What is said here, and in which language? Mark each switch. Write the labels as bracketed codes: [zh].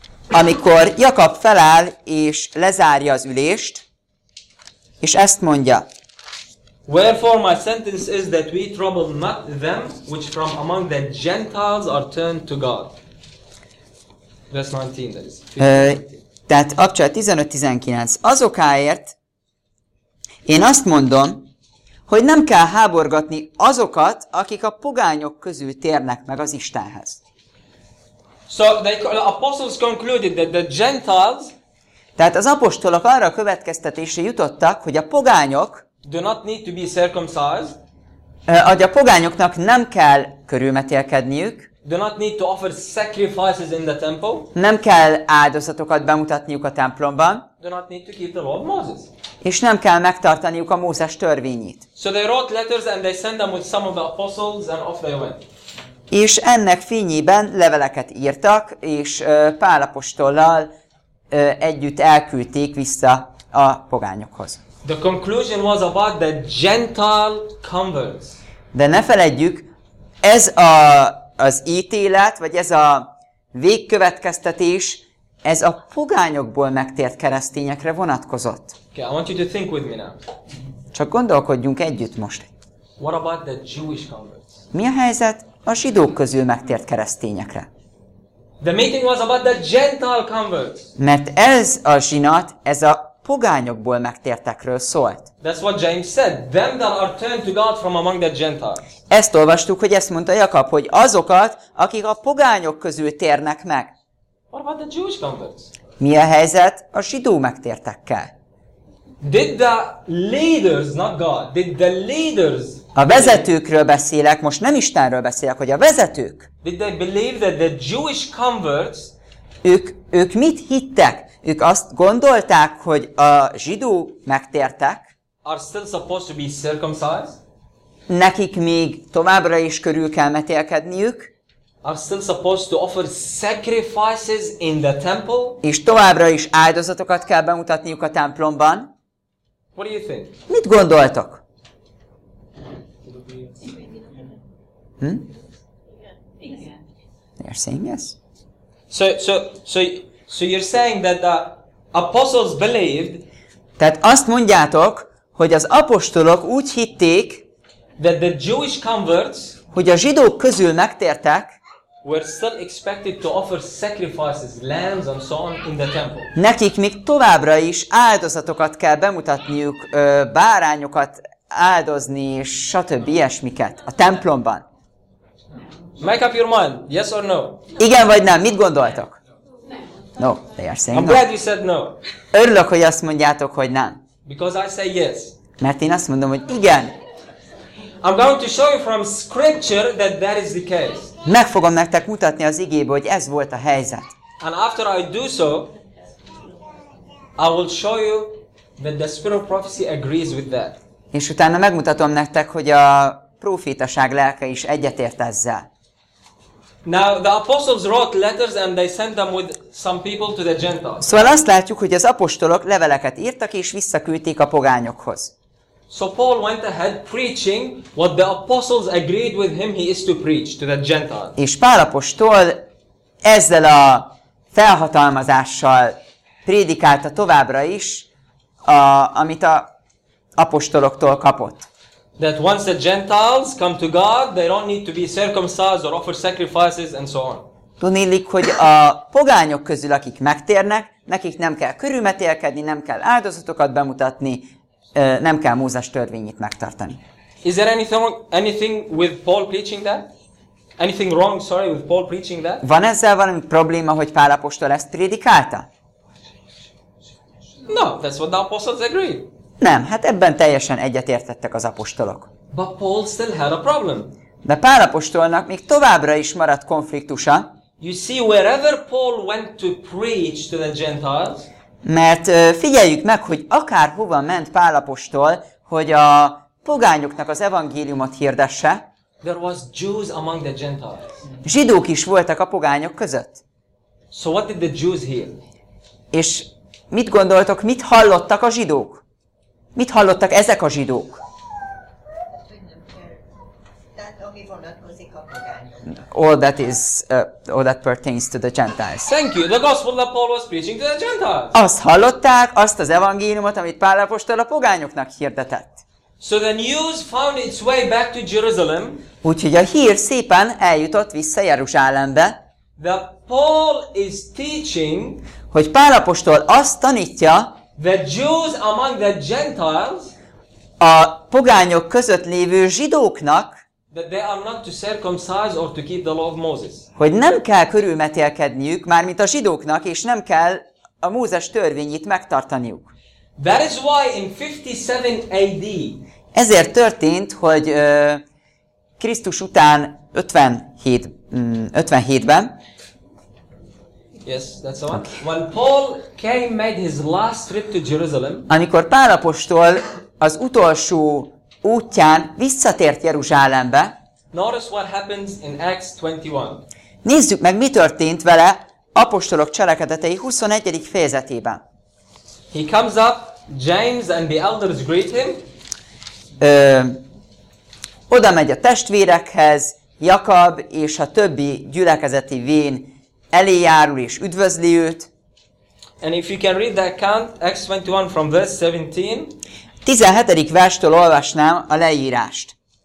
[hu] Amikor Jakab feláll és lezárja az ülést, és ezt mondja. [en] Wherefore my sentence is that we trouble not them which from among the Gentiles are turned to God. Verse 19. [hu] Tehát Abcsel 15-19. Azokáért én azt mondom, hogy nem kell háborgatni azokat, akik a pogányok közül térnek meg az Istenhez. [en] So the apostles concluded that the Gentiles, [hu] tehát az apostolok arra a következtetésre jutottak, hogy a pogányok [en] do not need to be circumcised, [hu] hogy a pogányoknak nem kell körülmetélkedniük, [en] do not need to offer sacrifices in the temple, [hu] nem kell áldozatokat bemutatniuk a templomban, [en] do not need to keep the law of Moses. [hu] És nem kell megtartaniuk a Mózes törvényét. [en] So they wrote letters and they sent them with some of the apostles and off they went. [hu] És ennek fényében leveleket írtak, és Pál apostollal együtt elküldték vissza a pogányokhoz. [en] The conclusion was about the Gentile converts. [hu] De ne feledjük, ez a, az ítélet, vagy ez a végkövetkeztetés, ez a pogányokból megtért keresztényekre vonatkozott. [en] Okay, I want you to think with me now. [hu] Csak gondolkodjunk együtt most. [en] What about the Jewish converts? [hu] Mi a helyzet a zsidók közül megtért keresztényekre? [en] The meeting was about the Gentile converts. [hu] Mert ez a zsinat, ez a pogányokból megtértekről szólt. [en] That's what James said. Them that are turned to God from among the Gentiles. [hu] Ezt olvastuk, hogy ezt mondta Jakab, hogy azokat, akik a pogányok közül térnek meg. [en] What about the Jewish converts? [hu] Mi a helyzet a zsidó megtértekkel? [en] Did the leaders, not God, did the leaders... [hu] A vezetőkről beszélek, most nem Istenről beszélek, hogy a vezetők... [en] Did they believe that the Jewish converts... [hu] Ők mit hittek? Ők azt gondolták, hogy a zsidó megtértek. [en] Are still supposed to be circumcised? [hu] Nekik még továbbra is körül kell metélkedniük. [en] Are still supposed to offer sacrifices in the temple? [hu] És továbbra is áldozatokat kell bemutatniuk a templomban. [en] What do you think? [hu] Mit gondoltok? Hm? [en] You're saying yes? So you're saying that the apostles believed. [hu] Tehát azt mondjátok, hogy az apostolok úgy hitték, [en] that the Jewish converts, [hu] hogy a zsidók közül megtértek, [en] were still expected to offer sacrifices, lambs and so on in the temple. [hu] Nekik még továbbra is áldozatokat kell bemutatniuk, bárányokat áldozni és stb. Ilyesmiket a templomban. [en] Make up your mind, yes or no? [hu] Igen vagy nem, mit gondoltok? [en] No, they are saying I'm glad you said no. [hu] Örülök, hogy azt mondjátok, hogy nem. [en] Because I say yes. [hu] Mert én azt mondom, hogy igen. [en] I'm going to show you from scripture that that is the case. [hu] Meg fogom nektek mutatni az igéből, hogy ez volt a helyzet. [en] And after I do so, I will show you that the spirit of prophecy agrees with that. [hu] És utána megmutatom nektek, hogy a prófétaság lelke is egyetért ezzel. [en] Now the apostles wrote letters and they sent them with some people to the Gentiles. [hu] Szóval azt látjuk, hogy az apostolok leveleket írtak és visszaküldték a pogányokhoz. [en] So Paul went ahead preaching what the apostles agreed with him he is to preach to the Gentiles. [hu] És Pál apostol ezzel a felhatalmazással prédikálta továbbra is, amit a apostoloktól kapott. [en] That once the Gentiles come to God, they don't need to be circumcised or offer sacrifices and so on. [hu] Tudnélik, hogy a pogányok közül, akik megtérnek, nekik nem kell körülmetélkedni, nem kell áldozatokat bemutatni, nem kell Mózes törvényét megtartani. [en] Is there anything with Paul preaching that? Anything wrong, sorry, with Paul preaching that? [hu] Van ezzel valami probléma, hogy Pál apostol ezt prédikálta? [en] No, that's what the apostles agreed. [hu] Nem, hát ebben teljesen egyetértettek az apostolok. [en] But Paul still had a problem. [hu] De Pál apostolnak még továbbra is maradt konfliktusa. [en] You see, wherever Paul went to preach to the Gentiles, [hu] mert figyeljük meg, hogy akárhova ment Pál apostol, hogy a pogányoknak az evangéliumot hirdesse, [en] there was Jews among the Gentiles. [hu] Zsidók is voltak a pogányok között. [en] So what did the Jews hear? [hu] És mit gondoltok, mit hallottak a zsidók? Mit hallottak ezek a zsidók? [en] All that pertains to the Gentiles. Thank you. The gospel that Paul was preaching to the Gentiles. [hu] Azt hallották, azt az evangéliumot, amit Pál apostol a pogányoknak hirdetett. [en] So the news found its way back to Jerusalem. [hu] Úgyhogy a hír szépen eljutott vissza Jeruzsálembe. [en] That Paul is teaching. [hu] Hogy Pál apostol azt tanítja. [en] The Jews among the Gentiles, [hu] a pogányok között lévő zsidóknak, [en] that they are not to circumcise or to keep the law of Moses. [hu] Hogy nem kell körülmetélkedniük, mármint a zsidóknak, és nem kell a Mózes törvényét megtartaniuk. [en] That is why in 57 AD, [hu] ezért történt, hogy Krisztus után 57-ben, [en] Yes, that's the one. Okay. When Paul came, made his last trip to Jerusalem. [hu] Amikor Pál apostol az utolsó útján visszatért Jeruzsálembe. [en] Notice what happens in Acts 21. [hu] Nézzük meg, mi történt vele Apostolok cselekedetei 21. fejezetében. [en] He comes up, James and the elders greet him. [hu] Oda megy a testvérekhez, Jakab és a többi gyülekezeti vén elé járul és üdvözli őt. [en] And if you can read the account, Acts 21 from verse 17. [hu] 17. verstől olvasnám a leírást.